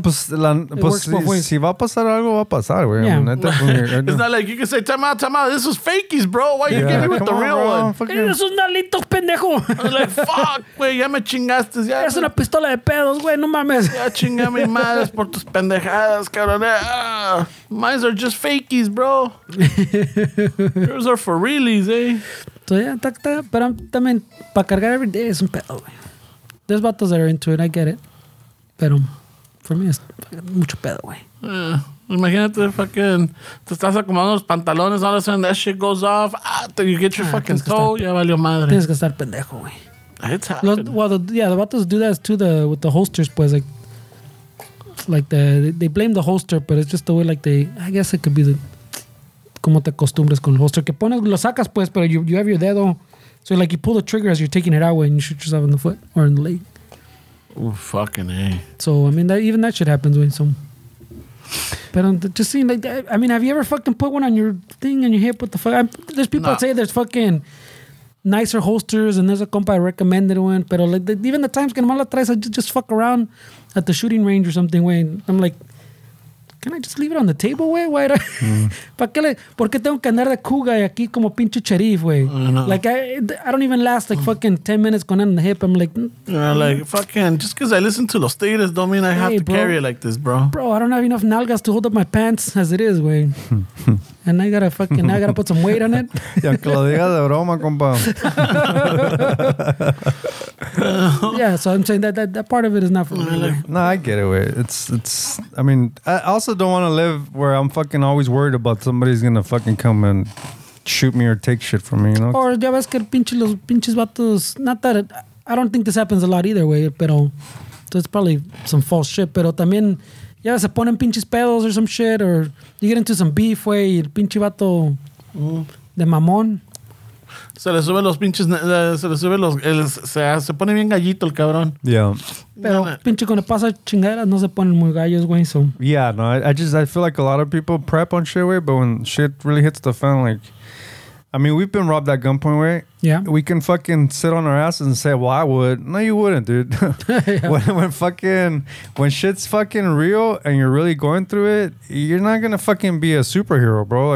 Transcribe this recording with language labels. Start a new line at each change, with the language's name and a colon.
Spanish: No, pues si va a pasar algo, va a pasar, güey.
English: Yeah. It's not like you can say, time out. This is fakies, bro. Why are you giving me the real one?
Spanish: Fucking... Eres un nalito, pendejo.
English: I'm like, fuck,
Spanish: güey. Ya me chingaste. Ya. Es una pistola de pedos, güey. No mames. Ya chinga mi madre por tus pendejadas, cabrón.
English: Mines are just fakies, bro. Yours are for realies, eh? So, yeah, tacta.
Spanish: Pero también, para cargar
English: every day
Spanish: es un pedo, güey.
English: There's bottles that are into it. I get it.
Spanish: Pero
English: for me, it's
Spanish: mucho pedo, güey.
English: Yeah.
Spanish: Imagínate
English: fucking...
Spanish: Te estás acomodando los pantalones,
English: all of a sudden that shit goes off. You get your fucking toe. Ya valió madre.
Spanish: Tienes que estar pendejo, güey.
English: It's happening. The bottles do that too, with the holsters, pues. Like they blame the holster, but it's just the way like they... I guess it could be the...
Spanish: Como te acostumbres con el holster. Que pones, lo sacas, pues, pero
English: you have your
Spanish: dedo.
English: So, like, you pull the trigger as you're taking it out and you shoot yourself in the foot or in the leg. Oh, fucking A. So, I mean, that shit happens with some. But just seeing like that, I mean, have you ever fucking put one on your thing and you hit what the fuck? There's people that say there's fucking nicer holsters and there's a compa I recommended one. But like, even the times
Spanish: que mala traes,
English: I just fuck around at the shooting range or something. Wayne. I'm like, can I just leave it on the table, güey? Why do
Spanish: ¿Por qué tengo que andar de cuga aquí como pinche sheriff, güey?
English: Like, I don't even last, like, fucking 10 minutes going on the hip. I'm like... Fucking, just because I listen to Los Tigres don't mean I have to carry it like this, bro. Bro, I don't have enough nalgas to hold up my pants as it is, güey. And I gotta put some weight on it.
Spanish: Y aunque lo diga de broma, compa.
English: Yeah, so I'm saying that part of it is not for me. No, I get it, güey. It's, I mean, I also don't want to live where I'm fucking always worried about somebody's gonna fucking come and shoot me or take shit from me, you know? Or,
Spanish: ya ves que pinches vatos,
English: not that, I don't think this happens a lot either, güey,
Spanish: pero
English: it's probably some false shit,
Spanish: pero también,
English: yeah,
Spanish: se ponen pinches pedos
English: or some shit, or you get into some beef, wey,
Spanish: y el pinche vato de mamón. Se le suben los pinches, se le suben los, el, se pone bien gallito el cabrón.
English: Yeah.
Spanish: Pero pinche, cuando pasa chingaderas, no se ponen muy gallos, güey, so.
English: Yeah, no, I feel like a lot of people prep on shit, wey, but when shit really hits the fan, like, I mean, we've been robbed at gunpoint, way. Yeah. We can fucking sit on our asses and say, well, I would. No, you wouldn't, dude. Yeah. When shit's fucking real and you're really going through it, you're not going to fucking be a superhero, bro.